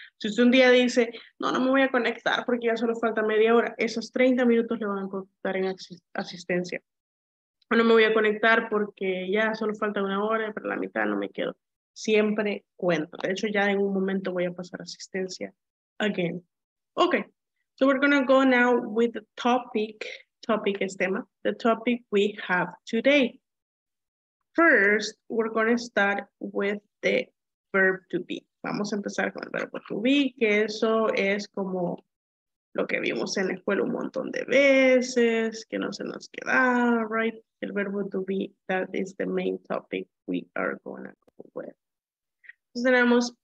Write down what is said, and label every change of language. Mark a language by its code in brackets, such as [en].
[es] Si usted un día dice, no me voy a conectar porque ya solo falta media hora, esos 30 minutos le van a contar en asistencia. O no me voy a conectar porque ya solo falta una hora, pero la mitad no me quedo. Siempre cuento. De hecho, ya en un momento voy a pasar asistencia again. [en] Ok, so we're going to go now with the topic. [es] Topic es tema. [en] The topic we have today. First, we're going to start with the verb to be. [es] Vamos a empezar con el verbo to be, que eso es como lo que vimos en la escuela un montón de veces, que no se nos queda, right? El verbo [en] to be, that is the main topic we are going to go with. [es] Entonces tenemos